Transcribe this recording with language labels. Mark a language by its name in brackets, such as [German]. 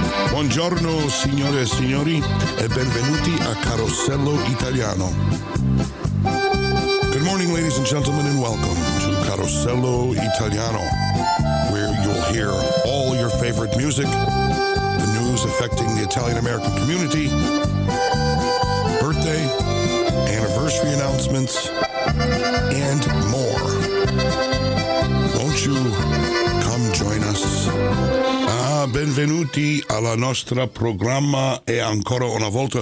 [Italian] Buongiorno signore e signori e benvenuti a Carosello Italiano. [English] Good morning ladies and gentlemen and welcome to Carosello Italiano, where you'll hear all your favorite music, the news affecting the Italian-American community, birthday, anniversary announcements, and more. Won't you come join us? [Italian] Benvenuti alla nostra programma e ancora una volta.